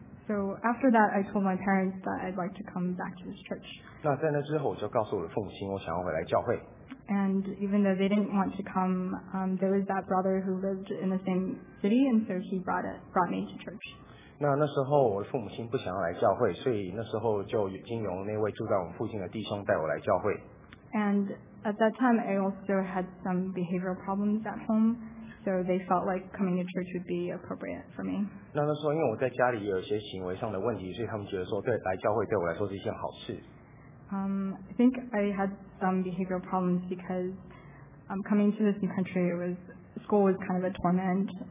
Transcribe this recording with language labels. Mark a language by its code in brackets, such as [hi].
[en] So after that, I told my parents that I'd like to come back to this church. [zh] 那在那之后，我就告诉我的父母亲，我想要回来教会。 [en] And even though they didn't want to come, there was that brother who lived in the same city, and so he brought me to church. [zh] 那时候我的父母亲不想要来教会，所以那时候就经由那位住在我们附近的弟兄带我来教会。 [en] And at that time, I also had some behavioral problems at home. So they felt like coming to church would be appropriate for me. [zh] 那时候因为我在家里有一些行为上的问题，所以他们觉得说对来教会对我来说是一件好事。 [en] I think I had some behavioral problems because coming to this new country, school was kind of a torment.